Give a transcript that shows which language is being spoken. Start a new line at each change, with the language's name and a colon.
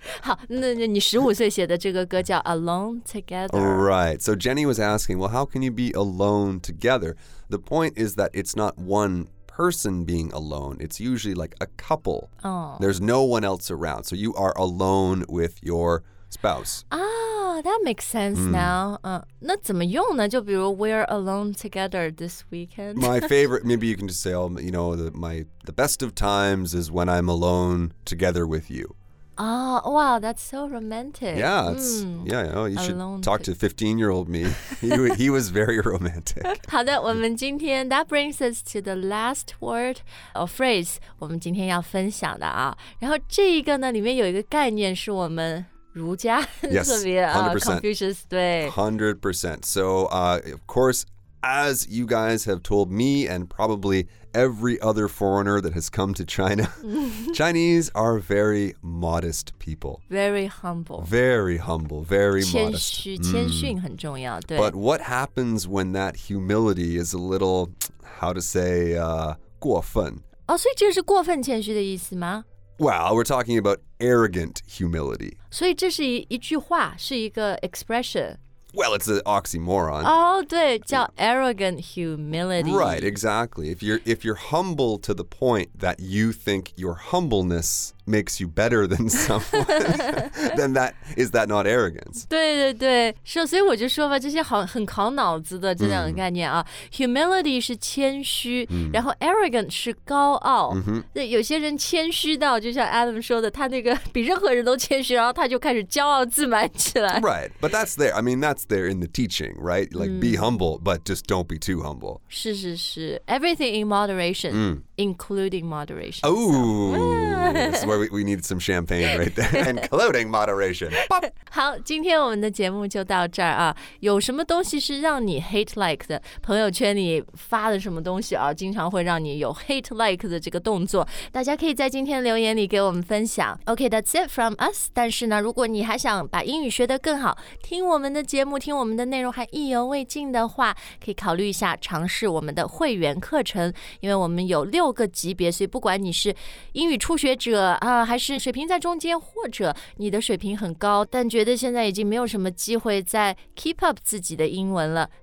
Chinese: 好，那你15岁写的这个歌叫 Alone Together.
English: Right. So Jenny was asking, well, how can you be alone together? The point is that it's not one person being alone. It's usually like a couple. Oh. There's no one else around. So you are alone with your spouse. Ah, that makes sense now.
Chinese: 那怎么用呢？就比如
English: we're alone together this weekend. My favorite, maybe you can just say, you know, the best of times is when I'm alone together with you. Oh, wow, that's so romantic. Yeah, it's,、you know, you should talk to 15-year-old me. he was very romantic.
Chinese: 好的，我们今天
English: that brings us to the last word or phrase
Chinese: 我们今天要分享的啊。然后这一个呢，里面有一个概念是我们儒家
English: yes,
Chinese: 特别啊、Confucius 对
English: 100%. So, of course, as you guys have told me and probably. Every other foreigner that has come to China, Chinese are very modest people. Very humble. Very humble, very
Chinese: 谦虚,
English: modest.
Chinese: 谦逊很重要对。
English: But what happens when that humility is a little, how to say,
Chinese: 过分? Oh, 所以这是过分谦虚的意思吗?
English: Well, we're talking about arrogant humility.
Chinese: 所以这是 一句话,是一个 expression.
English: Well, it's an oxymoron.
Chinese: Oh, 对，叫 arrogant humility.
English: Right, exactly. If you're humble to the point that you think your humbleness makes you better than someone, then is that not arrogance?
Chinese: 对对对，所以我就说吧，这些很考脑子的这两个概念啊。 Humility 是谦虚，然后 arrogant 是高傲。对，有些人谦虚到，就像 Adam 说的，他那个比任何人都谦虚，然后他就开始骄傲自满起来。
English: Right, but that's there. I mean, that's there in the teaching, right? Like, be humble, but just don't be too humble.
Chinese: 是是是
English: ，everything in moderation, including moderation. Oh, that's where we need some champagne right there, including moderation.
Chinese: 好，今天我们的节目就到这儿啊。有什么东西是让你 hate like 的？朋友圈里发的什么东西啊，经常会让你有 hate like 的这个动作？大家可以在今天留言里给我们分享。
English: Okay, that's it from us.
Chinese: 但是呢，如果你还想把英语学得更好，听我们的节目听我们的内容还意犹未尽的话，可以考虑一下尝试我们的会员课程，因为我们有六个级别，所以不管你是英语初学者啊，还是水平在中间，或者你的水平很高，但觉得现在已经没有什么机会再 keep up 自己的英文了。